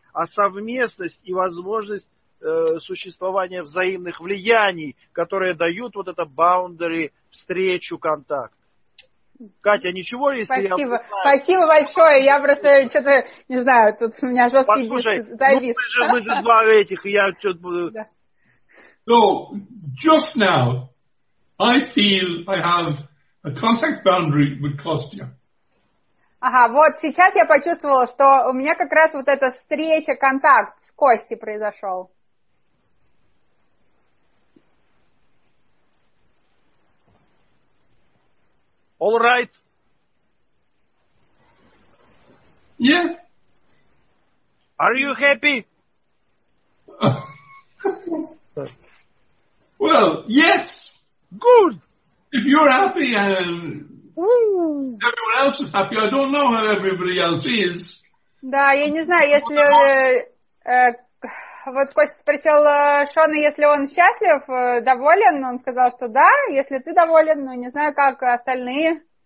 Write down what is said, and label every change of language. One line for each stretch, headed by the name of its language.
Russian: А совместность и возможность существования взаимных влияний, которые дают вот это boundary, встречу, контакт. Катя, ничего, если спасибо. Я... Спасибо, спасибо большое, я просто что-то, не знаю, тут у меня жесткий послушай, диск завис. Послушай, ну мы же два этих, и я что-то буду... Да.
English: So, just now, I feel I have a contact boundary with Kostya.
Russian: Ага, вот сейчас я почувствовала, что у меня как раз вот эта встреча, контакт с Костей произошел.
English: All right. Yeah. Are you happy? Well, yes. Good. If you're happy and everyone else is happy, I don't know how everybody else is.
Russian: Да, я не знаю, если вот Костя спросил Шона, если он счастлив, доволен, он сказал, что да, если ты доволен, но не знаю, как остальные.